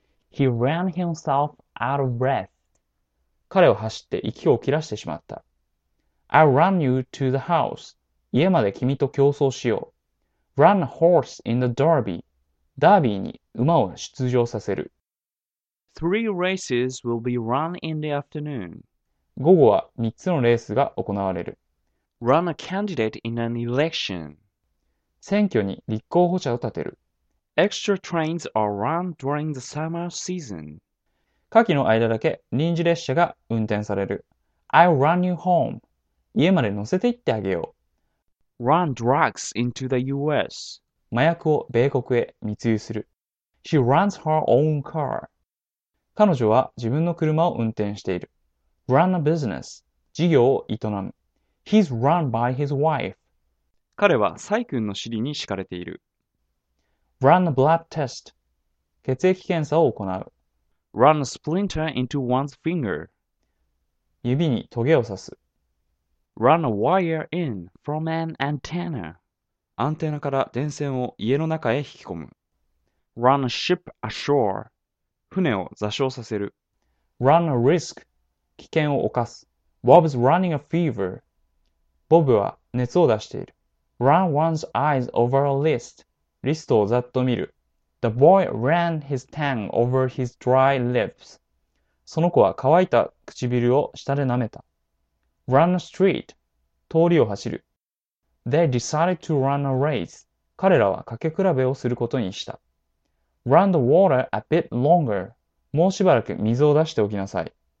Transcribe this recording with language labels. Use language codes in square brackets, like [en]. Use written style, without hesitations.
[en] He ran himself out of breath. [ja] 彼を走って息を切らしてしまった。 [en] I'll run you to the house. [ja] 家まで君と競争しよう。 [en] Run a horse in the derby. [ja] ダービーに馬を出場させる。 [en] Three races will be run in the afternoon. [ja] 午後は3つのレースが行われる。 [en] Run a candidate in an election. [ja] 選挙に立候補者を立てる。 [en] Extra trains are run during the summer season. [ja] 夏季の間だけ臨時列車が運転される。 [en] I'll run you home. [ja] 家まで乗せて行ってあげよう。 [en] Run drugs into the US. [ja] 麻薬を米国へ密輸する。 [en] She runs her own car. [ja] 彼女は自分の車を運転している。 [en] Run a business. [ja] 事業を営む。 [en] He's run by his wife. [ja] 彼はサイ君の尻に敷かれている。 [en] Run a blood test. [ja] 血液検査を行う。 [en] Run a splinter into one's finger. [ja] 指にトゲを刺す。 [en] Run a wire in from an antenna. [ja] アンテナから電線を家の中へ引き込む。 [en] Run a ship ashore. [ja] 船を座礁させる。 [en] Run a risk. [ja] 危険を冒す。 [en] Bob's running a fever. [ja] ボブは熱を出している。 [en] Run one's eyes over a list. [ja] リストをざっと見る。 [en] The boy ran his tongue over his dry lips. [ja] その子は乾いた唇を舌で舐めた。 [en] Run a street. [ja] 通りを走る。 [en] They decided to run a race. [ja] 彼らは駆け比べをすることにした。 [en] Run the water a bit longer. [ja] もうしばらく水を出しておきなさい。